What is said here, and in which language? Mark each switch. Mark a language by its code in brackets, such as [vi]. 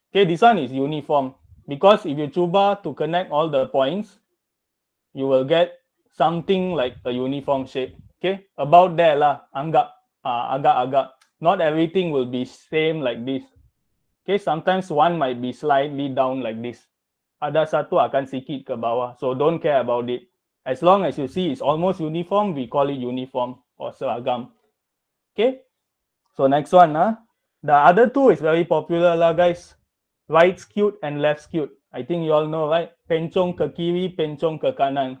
[en] Okay, this one is uniform. Because if you cuba to connect all the points, you will get something like a uniform shape. Okay, about there lah. Anggap. Agak-agak. Not everything will be same like this. Okay, sometimes one might be slightly down like this. [ms] Ada satu akan sikit ke bawah. [en] So don't care about it. As long as you see it's almost uniform, we call it uniform or seragam. Okay? So next one. The other two is very popular lah, guys. Right skewed and left skewed. I think you all know, right? [ms] Pencong ke kiri, pencong ke kanan.